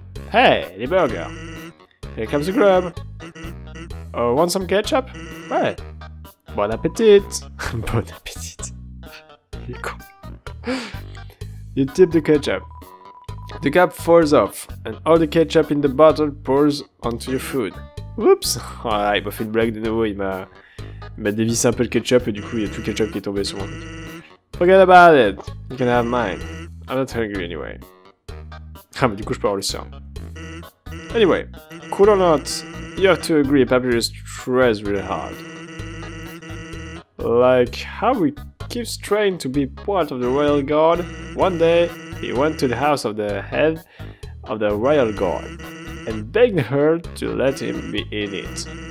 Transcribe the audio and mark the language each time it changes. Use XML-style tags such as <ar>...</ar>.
<en>Hey, the burger. Here comes the grub. Oh, want some ketchup? Ouais. Bon appétit.</en> <fr>Bon appétit. Il est con.</fr> <en>You tip the ketchup. The cap falls off, and all the ketchup in the bottle pours onto your food. Oups.</en> <fr>Ah, il m'a fait une blague de nouveau, il m'a dévissé un peu le ketchup, et du coup, il y a tout le ketchup qui est tombé sur moi.</fr> <en>Forget about it. You can have mine. I'm not hungry anyway.</en> <fr>Ah, mais du coup, je peux avoir le sien.</fr> <en>Anyway, cool or not, you have to agree, Papyrus tries really hard. Like, how we keeps trying to be part of the Royal Guard. One day, he went to the house of the head of the Royal Guard and begged her to let him be in it.</en>